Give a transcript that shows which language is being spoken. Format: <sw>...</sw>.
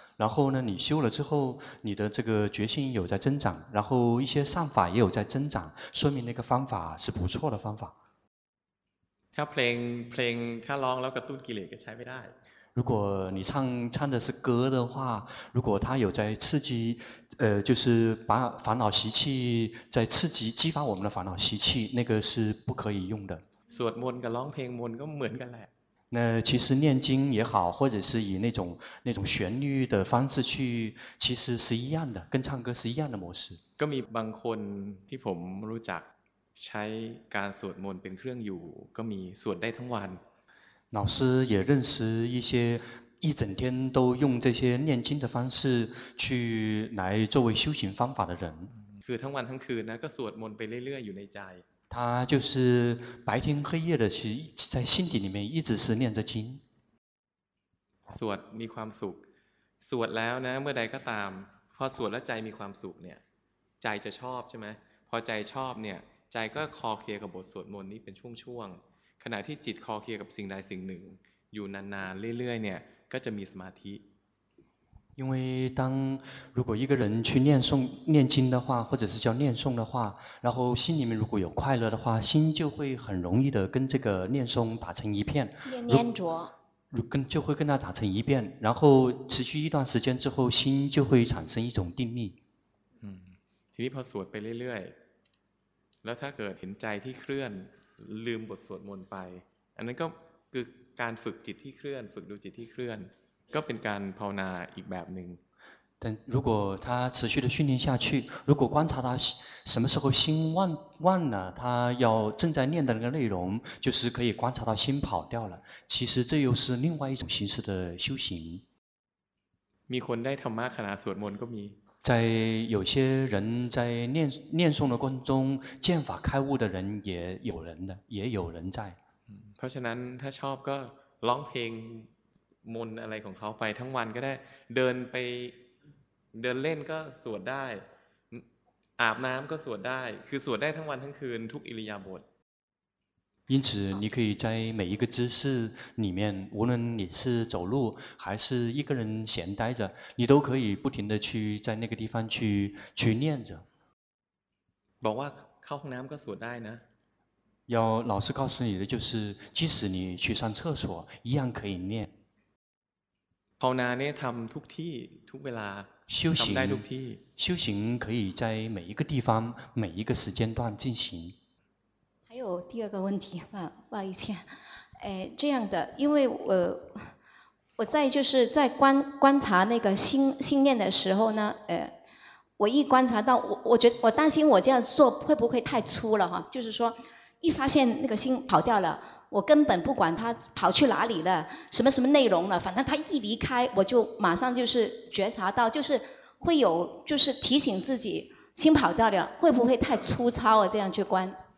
<zh>然后呢，你修了之后，你的这个决心有在增长，然后一些善法也有在增长，说明那个方法是不错的方法。</zh> <th>ถ้าเพลงถ้าร้องแล้วกระตุ้นกิเลสก็ใช้ไม่ได้</th> <zh>如果你唱的是歌的话，如果它有在刺激，就是把烦恼习气在刺激、激发我们的烦恼习气，那个是不可以用的。</zh> <th>สวดมนต์กับร้องเพลงมนต์ก็เหมือนกันแหละ。</th> <zh>那其实念经也好，或者是以那种旋律的方式去，其实是一样的，跟唱歌是一样的模式。</zh> <th>ก็มีบางคนที่ผมรู้จักใช้การสวดมนต์เป็นเครื่องอยู่ก็มีสวดได้ทั้งวัน。</th> <zh>老师也认识一些一整天都用这些念经的方式去来作为修行方法的人。</zh> <th>คือทั้งวันทั้งคืนนะก็สวดมนต์ไปเรื่อยๆอยู่ในใจ。</th> <zh>他就是白天黑夜的去在心底里面一直是念着经。</zh> <th>สวดมีความสุขสวดแล้วนะเมื่อใดก็ตามพอสวดแล้วใจมีความสุขเนี่ยใจจะชอบใช่ไหมพอใจชอบเนี่ยใจก็คลอเคลียกับบทสวดมนต์นี้เป็นช่วงๆขณะที่จิตคลอเคลียกับสิ่งใดสิ่งหนึ่งอยู่นานๆเรื่อยๆเนี่ยก็จะมีสมาธิ</th> <zh>因为当如果一个人去念诵念经的话或者是叫念诵的话然后心里面如果有快乐的话心就会很容易的跟这个念诵打成一片念着就会跟他打成一片然后持续一段时间之后心就会产生一种定力</zh> <th>ทีนี้พอสวดไปเรื่อยๆแล้วถ้าเกิดเห็นใจที่เคลื่อนลืมบทสวดมนต์ไปอันนั้นก็คือ การฝึกจิตที่เคลื่อนฝึกดูจิตที่เคลื่อนก็เป็นการภาวนาอีกแบบนึง</th> <zh>但如果他持续的训练下去，如果观察他什么时候心忘了他要正在念的那个内容，就是可以观察到心跑掉了。其实这又是另外一种形式的修行。</zh> <th>มีคนได้ธรรมะขณะสวดมนต์ก็มี。</th> <zh>在有些人在念诵的过程中，见法开悟的人也有人的，也有人在。</zh> <th>เพราะฉะนั้นถ้าชอบก็ร้องเพลงมนต์อะไรของเขาไปทั้งวันก็ได้เดินไปเดินเล่นก็สวดได้อาบน้ำก็สวดได้คือสวดได้ทั้งวันทั้งคืนทุกอิริยาบถ</th> <zh>因此你可以在每一个姿势里面无论你是走路还是一个人闲待着你都可以不停的去在那个地方去念着</zh> <th>บอกว่าเข้าห้องน้ำก็สวดได้นะ</th> <zh>要老师告诉你的就是即使你去上厕所一样可以念</zh> <th>ภาวนาเนี่ยทำทุกที่ทุกเวลา</th> <zh>修行可以在每一个地方每一个时间段进行还有第二个问题不好意思这样的因为 我在就是在 观察那个 心念的时候呢我一观察到 我担心我这样做会不会太粗了就是说一发现那个心跑掉了我根本不管它跑去哪里了什么什么内容了反正它一离开我就马上就是觉察到就是会有就是提醒自己心跑掉了会不会太粗糙啊这样去观</zh>